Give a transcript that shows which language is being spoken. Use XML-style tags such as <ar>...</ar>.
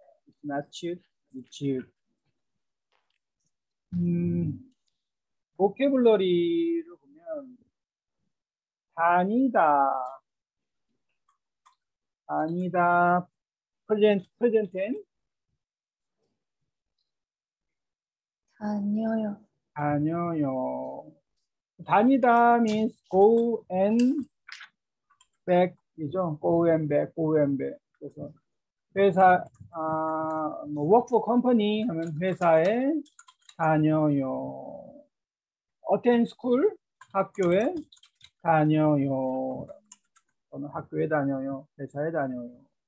<en>It's not 치읓, it's 지읒.</en> <ko>보케블러리를 보면 다니다. 아니다. present tense. 다녀요. 다녀요.</ko> <en>다니다 means go and back이죠. go and back, go and back.</en> <ko>그래서 회사 뭐</ko> <en>work for company</en> <ko>하면 회사에 다녀요. attend school 학교에 다녀요. 저는 학교에 다녀요. 회사에 다녀요.</ko>